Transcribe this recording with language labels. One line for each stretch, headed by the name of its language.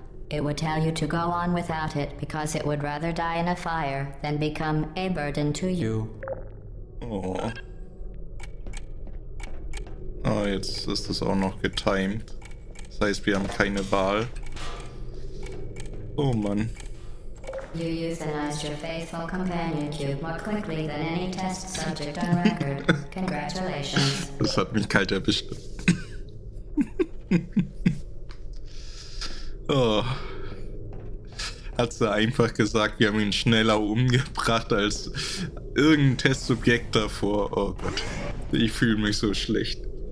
English: It would tell you to go on without it, because it would rather die in a fire than become a burden to you.
German: Oh, jetzt ist das auch noch getimed. Das heißt, wir haben keine Wahl. Oh Mann.
English: You euthanized your faithful companion cube more quickly than any test subject on record. Congratulations.
German: Das hat mich kalt erwischt. Oh. Hat sie einfach gesagt, wir haben ihn schneller umgebracht als irgendein Testsubjekt davor. Oh Gott, ich fühle mich so schlecht.